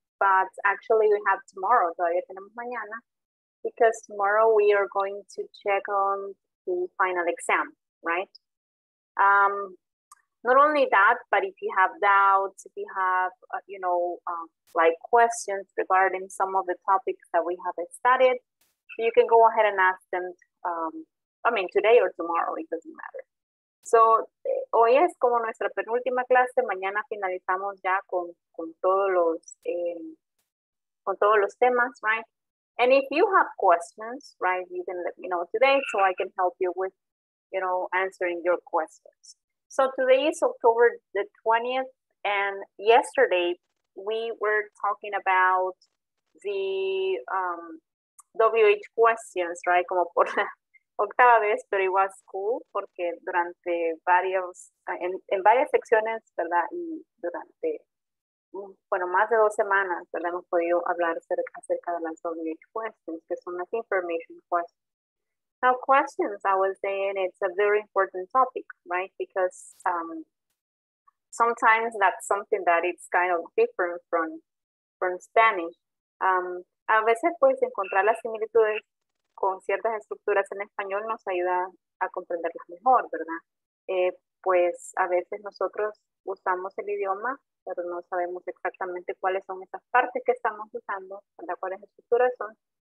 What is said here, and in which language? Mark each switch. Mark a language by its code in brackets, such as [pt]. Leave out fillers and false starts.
[en] But actually, we have tomorrow, [es] todavía tenemos mañana, [en] because tomorrow we are going to check on the final exam, right? Not only that, but if you have doubts, if you have, you know, like questions regarding some of the topics that we have studied, you can go ahead and ask them, I mean, today or tomorrow, it doesn't matter. [es] So, hoy es como nuestra penúltima clase, mañana finalizamos ya con todos los temas, right? [en] And if you have questions, right, you can let me know today so I can help you with, you know, answering your questions. So today is October the 20th, and yesterday we were talking about the WH questions, right? [es] Como por octava vez, pero [en] it was cool [es] porque durante varios, en varias secciones, ¿verdad? Y durante, bueno, más de dos semanas, ¿verdad? Hemos podido hablar acerca de las WH questions, que son las information questions. [en] Now, questions, I was saying, it's a very important topic, right? Because sometimes that's something that it's kind of different from Spanish. [es] A veces, pues, encontrar las similitudes con ciertas estructuras en español nos ayuda a comprenderlas mejor, ¿verdad? Pues, a veces nosotros usamos el idioma, pero no sabemos exactamente cuáles son esas partes que estamos usando, ¿verdad? ¿Cuáles estructuras son?